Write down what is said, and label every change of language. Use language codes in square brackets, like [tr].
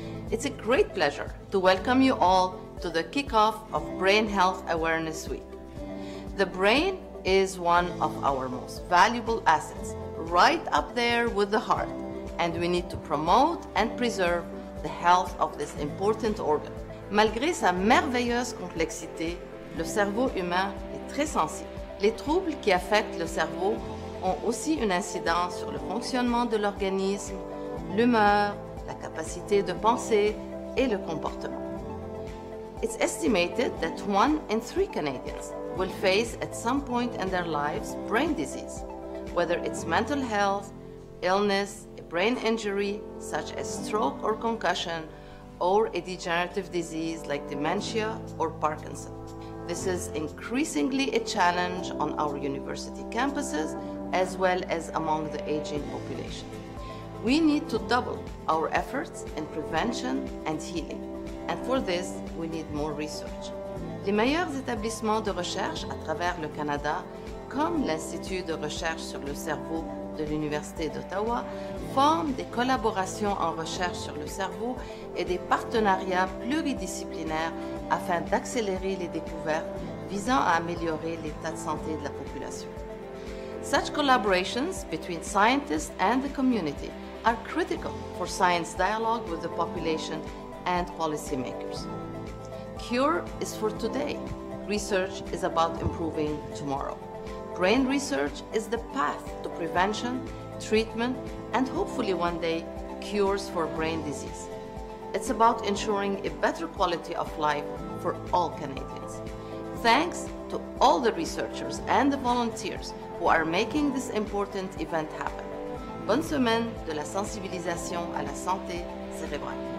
[en] It's a great pleasure to welcome you all to the kickoff of Brain Health Awareness Week. The brain is one of our most valuable assets, right up there with the heart, and we need to promote and preserve the health of this important organ. [fr] Malgré sa merveilleuse complexité, le cerveau humain est très sensible. Les troubles qui affectent le cerveau ont aussi une incidence sur le fonctionnement de l'organisme, l'humeur, la capacité de penser et le comportement. [en] It's estimated that 1 in 3 Canadians will face at some point in their lives brain disease, whether it's mental health, illness, a brain injury such as stroke or concussion, or a degenerative disease like dementia or Parkinson. This is increasingly a challenge on our university campuses as well as among the aging population. We need to double our efforts in prevention and healing. And for this, we need more research. [fr] Les meilleurs établissements de recherche à travers le Canada, comme l'Institut de recherche sur le cerveau de l'Université d'Ottawa, forment des collaborations en recherche sur le cerveau et des partenariats pluridisciplinaires afin d'accélérer les découvertes visant à améliorer l'état de santé de la population. [en] Such collaborations between scientists and the community are critical for science dialogue with the population and policymakers. Cure is for today. Research is about improving tomorrow. Brain research is the path to prevention, treatment, and hopefully one day, cures for brain disease. It's about ensuring a better quality of life for all Canadians. Thanks to all the researchers and the volunteers who are making this important event happen. [fr] Bonne semaine de la sensibilisation à la santé cérébrale.